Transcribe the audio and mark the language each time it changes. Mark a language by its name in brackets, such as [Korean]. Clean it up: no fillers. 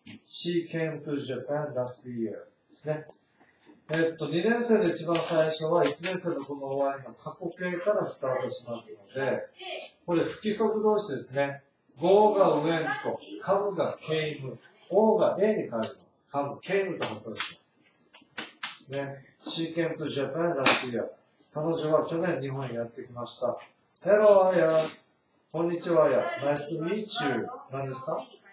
[English] She came to Japan last year. [Japanese] ですね。 2年生で一番最初は1年生のこの終わりの過去形からスタートしますので、これ不規則動詞ですね。 go が when と、come が came、o が a に変わります。 come、came と発音します。ですね。 [English] she came to Japan last year。 [Japanese] 彼女は去年日本にやってきました。 [English] hello, Aya。 [Japanese] こんにちは、 [English] Aya。nice to meet you。 [Japanese] 何ですか？